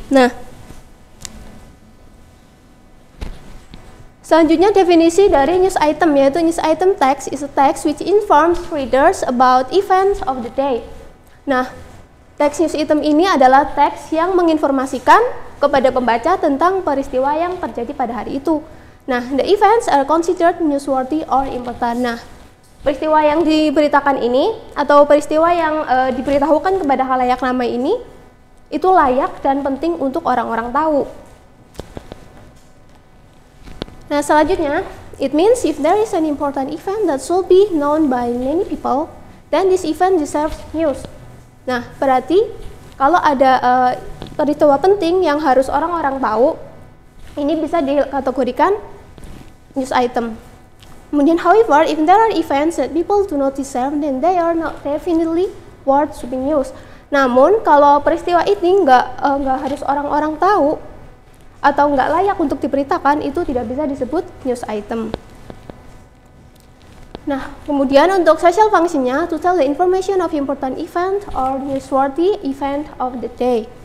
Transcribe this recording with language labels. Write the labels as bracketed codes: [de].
[id] Nah, selanjutnya definisi dari news item, yaitu [en] news item text is a text which informs readers about events of the day. [id] Nah, teks news item ini adalah teks yang menginformasikan kepada pembaca tentang peristiwa yang terjadi pada hari itu. [en] Nah, the events are considered newsworthy or important. [id] Nah, peristiwa yang diberitakan ini atau peristiwa yang diberitahukan kepada khalayak ramai ini itu layak dan penting untuk orang-orang tahu. Nah, selanjutnya, [en] it means if there is an important event that should be known by many people, then this event deserves news. [id] Nah, berarti kalau ada peristiwa penting yang harus orang-orang tahu, ini bisa dikategorikan news item. [en] Kemudian, however, if there are events that people do not deserve, then they are not definitely worth to be news. [id] Namun, kalau peristiwa ini nggak harus orang-orang tahu, atau nggak layak untuk diberitakan, itu tidak bisa disebut news item. Nah, kemudian untuk social function-nya, [en] to tell the information of important event or newsworthy event of the day.